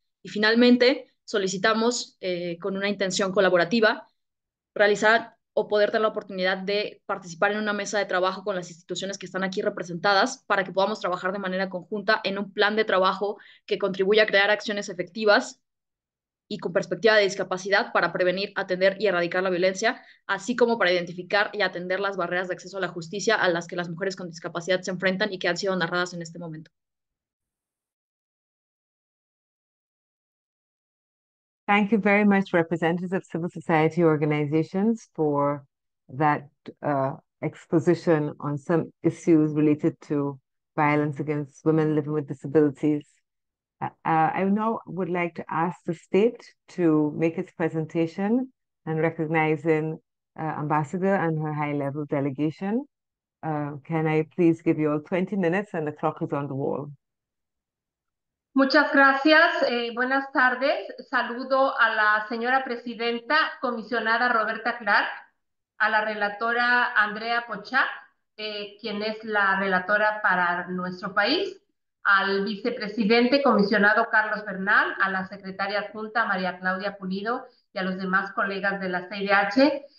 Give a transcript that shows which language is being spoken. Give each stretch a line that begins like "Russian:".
Spanish: Y finalmente, solicitamos con una intención colaborativa realizar o poder tener la oportunidad de participar en una mesa de trabajo con las instituciones que están aquí representadas para que podamos trabajar de manera conjunta en un plan de trabajo que contribuya a crear acciones efectivas y con perspectiva de discapacidad para prevenir, atender y erradicar la violencia, así como para identificar y atender las barreras de acceso a la justicia a las que las mujeres con discapacidad se enfrentan y que han sido narradas en este momento.
English: Thank you very much, representatives of civil society organizations, for that exposition on some issues related to violence against women living with disabilities. I now would like to ask the state to make its presentation and recognizing Ambassador and her high-level delegation. Can I please give you all 20 minutes and the clock is on the wall.
Spanish: Muchas gracias. Buenas tardes. Saludo a la señora presidenta, comisionada Roberta Clark, a la relatora Andrea Pochak, quien es la relatora para nuestro país, al vicepresidente comisionado Carlos Bernal, a la secretaria adjunta María Claudia Pulido y a los demás colegas de la CIDH.